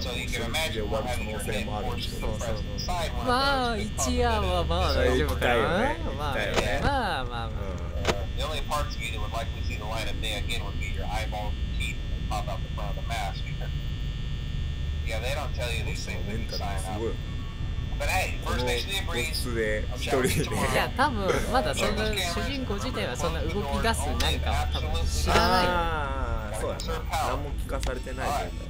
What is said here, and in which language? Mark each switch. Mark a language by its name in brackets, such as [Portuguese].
[Japanese] そういう時期で終わる可能性もあるんですけど。そうそうそう。まあ、一夜はまあ大丈夫かな。まあ、まあ、まあ。うん。 [English] The only parts of you that would likely see the light of day again would be your eyeballs and teeth that pop out the front of the mask. Yeah, they don't tell you these things when you sign up. [Japanese] このボスで一人で、いや多分まだその主人公自体はそんな動き出す何かは多分知らない。ああそうだな、何も聞かされてないから。